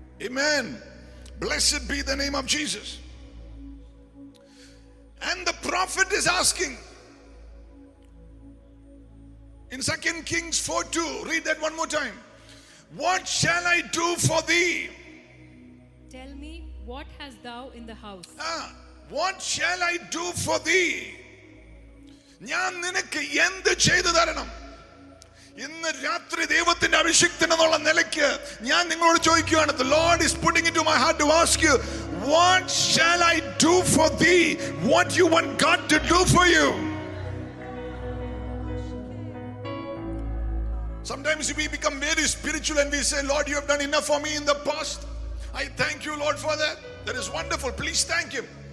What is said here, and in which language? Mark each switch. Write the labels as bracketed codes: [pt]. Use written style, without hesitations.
[en] ആമേൻ. Blessed be the name of Jesus. And the prophet is asking in 2 Kings 4:2, read that one more time. What shall I do for thee? Tell me, what hast thou in the house? What shall I do for thee? [ml] ഞാൻ നിനക്ക് എന്ത് ചെയ്തു തരണം? ഇന്ന് രാത്രി ദൈവത്തിന്റെ അഭിഷിക്തൻ എന്നുള്ള നിലയ്ക്ക് ഞാൻ നിങ്ങളോട് ചോദിക്കുകയാണ്. [en] The Lord is putting it to my heart to ask you, what shall I do for thee? What you want God to do for you? Sometimes we become very spiritual and we say, Lord, you have done enough for me in the past. I thank you, Lord, for that. That is wonderful. Please thank him.